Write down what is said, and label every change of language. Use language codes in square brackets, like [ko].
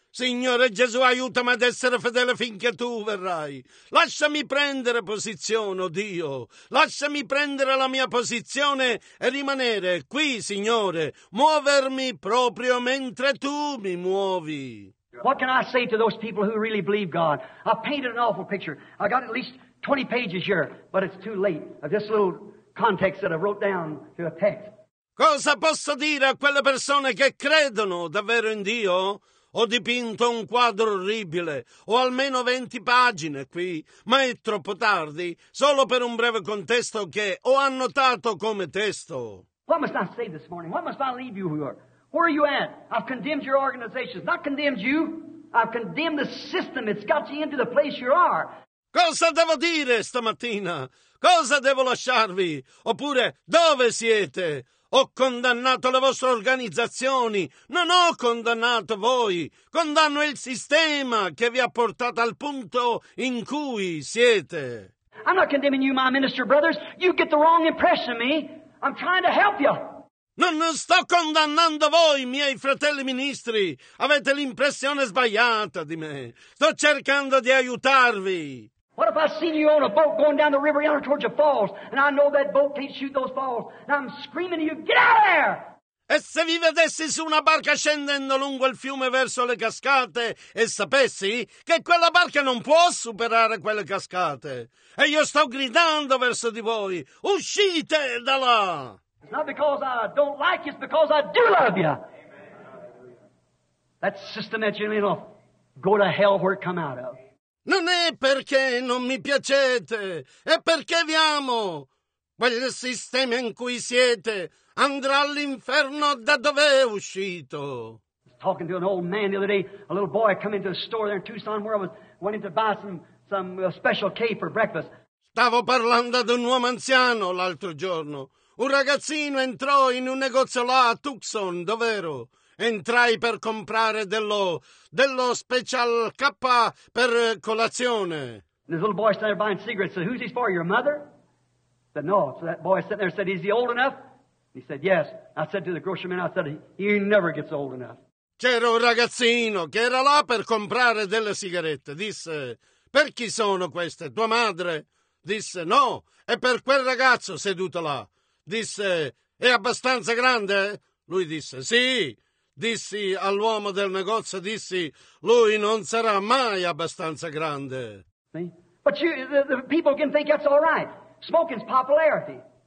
[it] Signore Gesù, aiutami ad essere fedele finché tu verrai. Lasciami prendere posizione, oh Dio. Lasciami prendere la mia posizione e rimanere qui, Signore. Muovermi proprio mentre tu mi muovi. [en] What can I say to those people who really believe God? I painted an awful picture. I got at least 20 pages here, but it's too late. This little context that I wrote down to a text. [it] Cosa posso dire a quelle persone che credono davvero in Dio? Ho dipinto un quadro orribile, ho almeno 20 pagine qui, ma è troppo tardi, solo per un breve contesto che ho annotato come testo. [en] What must I say this morning? What must I leave you here? Where are you at? I've condemned your organizations. Not condemned you, I've condemned the system. It's got you into the place you are. [it] Cosa devo dire stamattina? Cosa devo lasciarvi? Oppure dove siete? Ho condannato le vostre organizzazioni. Non ho condannato voi. Condanno il sistema che vi ha portato al punto in cui siete. [en] I'm not condemning you, my minister brothers. You get the wrong impression of me. I'm trying to help you. [it] Non sto condannando voi, miei fratelli ministri. Avete l'impressione sbagliata di me. Sto cercando di aiutarvi. [en] What if I seen you on a boat going down the river yonder towards your falls, and I know that boat can't shoot those falls, and I'm screaming to you, get out of there! [it] E se vi vedessi su una barca scendendo lungo il fiume verso le cascate, e sapessi che quella barca non può superare quelle cascate, e io sto gridando verso di voi, uscite da là! [en] It's not because I don't like you, it's because I do love you! That system that you need to go to hell where it come out of. [it] Non è perché non mi piacete, è perché vi amo. Quel sistema in cui siete andrà all'inferno da dove è uscito. I was talking to an old man the other day, a little boy come into a store there in Tucson where I was wanting to buy some special cake for breakfast. Stavo parlando ad un uomo anziano l'altro giorno. Un ragazzino entrò in un negozio là a Tucson, dov'ero. Entrai per comprare dello special K per colazione. [en] And this little boy standing there buying cigarettes. Said, "Who's he for? Your mother?" I said, "No." So that boy sitting there said, "Is he old enough?" He said, "Yes." I said to the grocery man, "I said he never gets old enough." [it] C'era un ragazzino che era là per comprare delle sigarette. Disse, "Per chi sono queste? Tua madre?" Disse, "No." E per quel ragazzo seduto là. Disse, "È abbastanza grande?" Lui disse, "Sì." Dissi all'uomo del negozio, dissi, lui non sarà mai abbastanza grande. [en] See? But you, the people can think that's all right. Smoking's popularity.